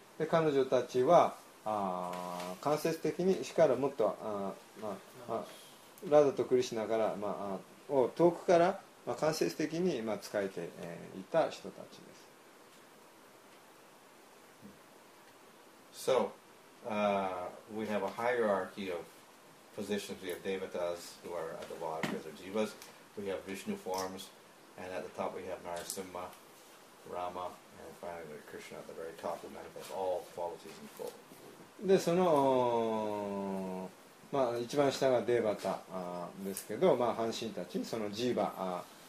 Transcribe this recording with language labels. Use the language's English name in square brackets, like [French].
[Japanese] で、彼女たちは間接的にしからもっと、まあ、ラダとクリシナから、まあ、を遠くから、まあ、間接的に、まあ、使えて、いた人たちです。 [English] SoWe have a hierarchy of positions. We have devatas who are at the bottom, because they're jivas. We have Vishnu forms, and at the top we have Narasimha, Rama, and finally Krishna at the very top, who manifests all qualities in full. [Japanese] で、その、まあ、一番下がデーバタですけど、まあ、半身たち、そのジーバ